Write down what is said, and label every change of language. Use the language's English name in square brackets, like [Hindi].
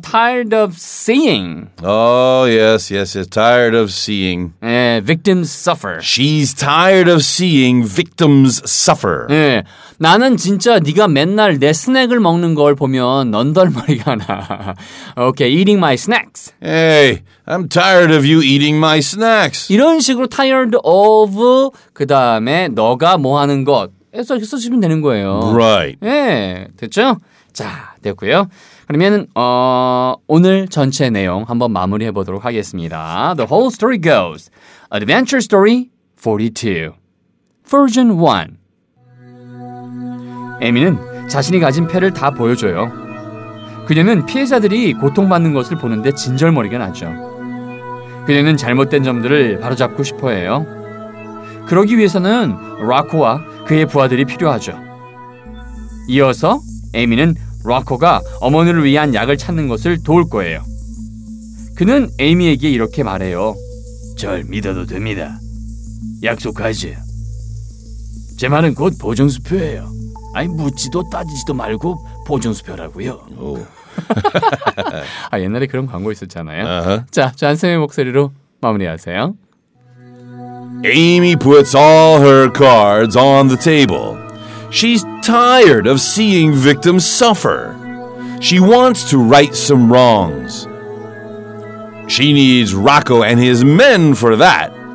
[English] Tired of seeing. Oh, yes, yes, yes. Tired of seeing. [Korean] 네, [English] victims suffer. She's tired of seeing victims suffer. [Korean] 네, 나는 진짜 네가 맨날 내 스낵을 먹는 걸 보면 넌덜머리가 나. [English] Okay, eating my snacks. Hey, I'm tired of you eating my snacks. [Korean] 이런 식으로 tired of, 그 다음에 너가 뭐 하는 것. 해서 이렇게 쓰시면 되는 거예요. [English] Right. [Korean] 예, 네, 됐죠? 자, 됐고요. 그러면 오늘 전체 내용 한번 마무리해 보도록 하겠습니다. [English] The whole story goes. Adventure Story 42. Version 1. [Korean] 에미는 자신이 가진 패를 다 보여줘요. 그녀는 피해자들이 고통받는 것을 보는데 진절머리가 나죠. 그녀는 잘못된 점들을 바로잡고 싶어해요. 그러기 위해서는 라코와 그의 부하들이 필요하죠. 이어서 에미는 라코가 어머니를 위한 약을 찾는 것을 도울 거예요. 그는 에미에게 이렇게 말해요. 절 믿어도 됩니다. 약속하지. 제 말은 곧 보증수표예요. 아니 묻지도 따지지도 말고 보증수표라고요. 아, 옛날에 그런 광고 있었잖아요. 자, 잔쌤의 목소리로 마무리하세요. [English] Amy puts all her cards on the table. She's tired of seeing victims suffer. She wants to right some wrongs. She needs Rocco and his men for that.